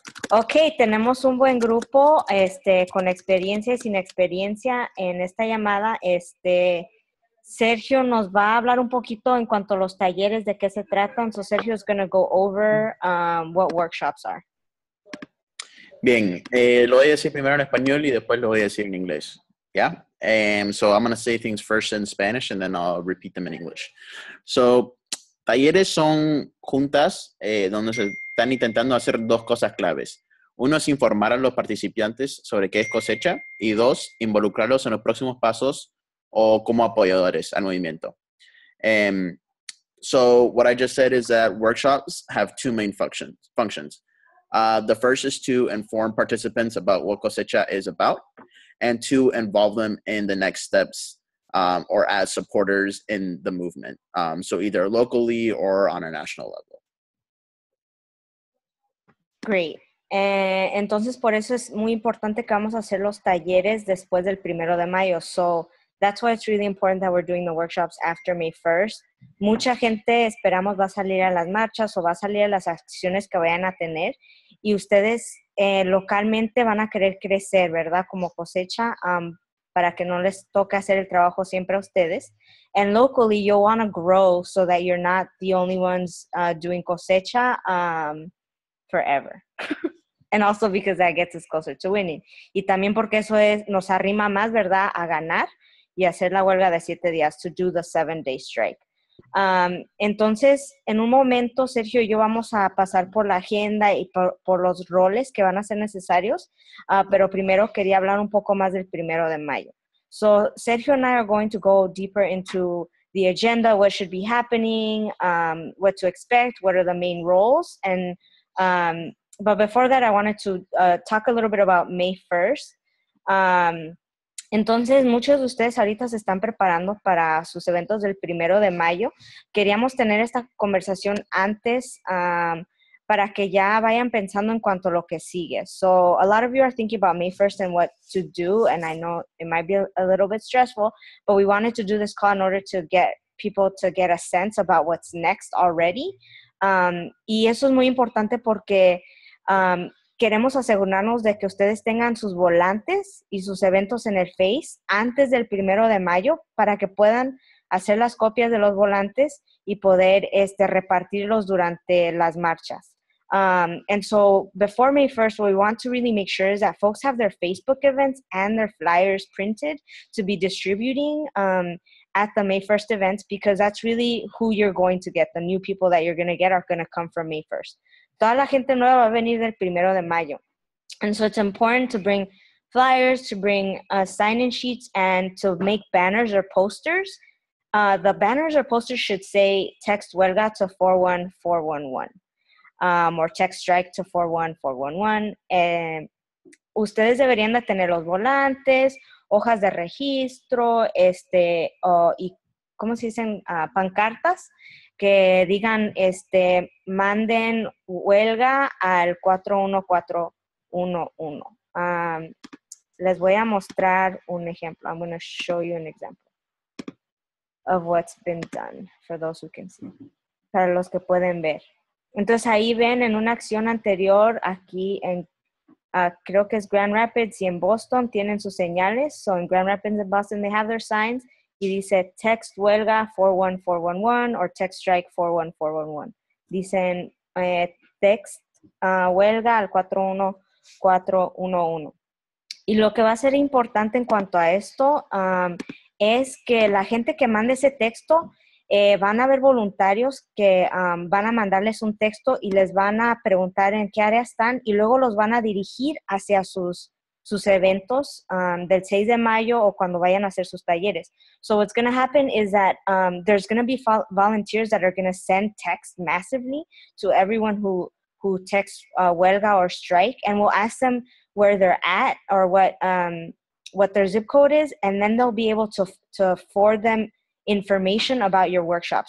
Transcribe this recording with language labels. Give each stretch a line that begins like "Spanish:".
Spanish: Okay, tenemos un buen grupo, con experiencia y sin experiencia en esta llamada. Sergio nos va a hablar un poquito en cuanto a los talleres, de qué se tratan.
English: So Sergio is going to go over what workshops are.
Spanish: Bien, lo voy a decir primero en español y después lo voy a decir en inglés.
English: So I'm going to say things first in Spanish and then I'll repeat them in English.
Spanish: So, talleres son juntas donde se están intentando hacer dos cosas claves. Uno es informar a los participantes sobre qué es cosecha y dos, involucrarlos en los próximos pasos o como apoyadores al movimiento.
English: So, what I just said is that workshops have two main functions. The first is to inform participants about what cosecha is about and to involve them in the next steps or as supporters in the movement. So either locally or on a national level. Great.
Spanish: Entonces, por eso es muy importante que vamos a hacer los talleres después del primero de mayo.
English: So that's why it's really important that we're doing the workshops after May 1st.
Spanish: Mucha gente, esperamos, va a salir a las marchas o va a salir a las acciones que vayan a tener. Y ustedes localmente van a querer crecer, ¿verdad? Como cosecha, para que no les toque hacer el trabajo siempre a ustedes.
English: And locally, you'll want to grow so that you're not the only ones doing cosecha forever. And also because that gets us closer to winning.
Spanish: Y también porque eso es, nos arrima más, ¿verdad? A ganar y hacer la huelga de 7 días,
English: to do the 7-day strike.
Spanish: Entonces, en un momento, Sergio y yo vamos a pasar por la agenda y por los roles que van a ser necesarios, pero primero quería hablar un poco más del primero de mayo.
English: So, Sergio and I are going to go deeper into the agenda, what should be happening, what to expect, what are the main roles, and but before that, I wanted to talk a little bit about May 1st.
Spanish: Entonces, muchos de ustedes ahorita se están preparando para sus eventos del primero de mayo. Queríamos tener esta conversación antes para que ya vayan pensando en cuanto a lo que sigue.
English: So, a lot of you are thinking about May 1st and what to do, and I know it might be a little bit stressful, but we wanted to do this call in order to get people to get a sense about what's next already.
Spanish: Y eso es muy importante porque queremos asegurarnos de que ustedes tengan sus volantes y sus eventos en el Face antes del primero de mayo para que puedan hacer las copias de los volantes y poder repartirlos durante las marchas.
English: And so, before May 1st, what we want to really make sure is that folks have their Facebook events and their flyers printed to be distributing at the May 1st events, because that's really who you're going to get. The new people that you're going to get are going to come from May 1st.
Spanish: Toda la gente nueva va a venir del primero de mayo.
English: And so it's important to bring flyers, to bring sign-in sheets, and to make banners or posters. The banners or posters should say, text huelga to 41411. Or text strike to 41411.
Spanish: Ustedes deberían de tener los volantes, hojas de registro, y ¿cómo se dicen? Pancartas. Que digan, manden huelga al 41411. Les voy a mostrar un ejemplo.
English: I'm going to show you an example of what's been done for those who can see.
Spanish: Para los que pueden ver. Entonces, ahí ven en una acción anterior aquí en, creo que es Grand Rapids y en Boston tienen sus señales.
English: So, en Grand Rapids and Boston, they have their signs.
Spanish: Y dice,
English: text huelga 41411 or text strike 41411.
Spanish: Dicen, text huelga al 41411. Y lo que va a ser importante en cuanto a esto es que la gente que mande ese texto, van a haber voluntarios que van a mandarles un texto y les van a preguntar en qué área están y luego los van a dirigir hacia sus eventos del 6 de mayo o cuando vayan a hacer sus talleres.
English: So what's going to happen is that there's going to be volunteers that are going to send texts massively to everyone who texts huelga or strike, and we'll ask them where they're at or what their zip code is, and then they'll be able to forward them information about your workshop.